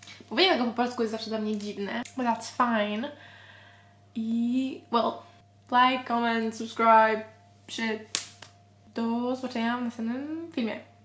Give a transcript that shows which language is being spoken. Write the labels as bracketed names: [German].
[Polish] Mówienie tego po polsku jest zawsze dla mnie dziwne. [English] But that's fine. I... well... like, comment, subscribe, shit. [Polish] Do zobaczenia w następnym filmie.